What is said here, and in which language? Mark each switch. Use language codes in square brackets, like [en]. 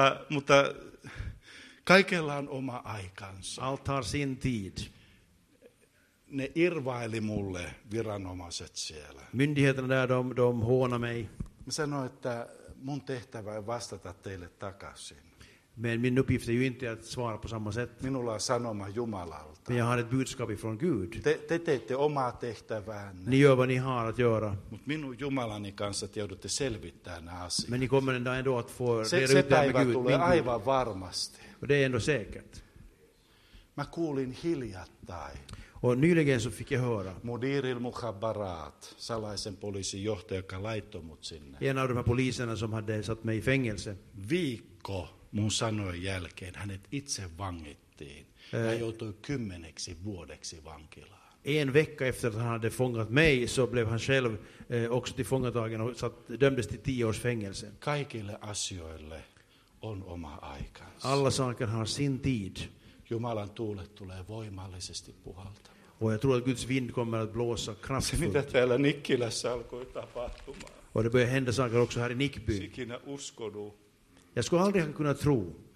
[fi] Mutta kaikella on oma aikansa. [sv] Allt har sin tid. [fi] Ne irvaili mulle viranomaiset siellä. [sv] Myndigheterna där, de hånar mig. [fi] Mä sanoin, että mun tehtävä on vastata teille takaisin. [sv] Men min uppgift är ju inte att svara på samma sätt. [fi] Minulla on sanoma Jumalalta. [sv] Men jag har ett budskap ifrån Gud. [fi] Te teette omaa tehtäväänne. [sv] Ni gör vad ni har att göra. [fi] Mut minun Jumalani kanssa te joudutte selvittää nämä asiat. [sv] Men ni kommer ändå att få reda ut det med Gud. [fi] Se päivä tulee aivan varmasti. [sv] Och det är ändå säkert. [fi] Mä kuulin hiljattain. [sv] Och nyligen så fick jag höra. [fi] Mudiril Mukhabarat, salaisen poliisin johtaja, joka laittoi mut sinne. [sv] En av de här poliserna som hade satt mig i fängelse. [fi] Viikko mun sanojen jälkeen hänet itse vangittiin. Hän joutui 10 vuodeksi vankilaan. [sv] En vecka efter att han hade fångat mig så blev han själv också till fångatagen och dömdes till 10 fängelse. [fi] Kaikille asioille on oma aikansa. [sv] Alla saker har sin tid. [fi] Jumalan tuulet tulee voimallisesti puhaltamaan. [sv] Och jag tror att Guds vind kommer att blåsa kraftfullt. [fi] Se mitä täällä Nikkilässä alkoi tapahtumaan. [sv] Och det börjar hända saker också här i Nikby. [fi] Sikinä uskonu. [sv] Jag skulle aldrig kunna tro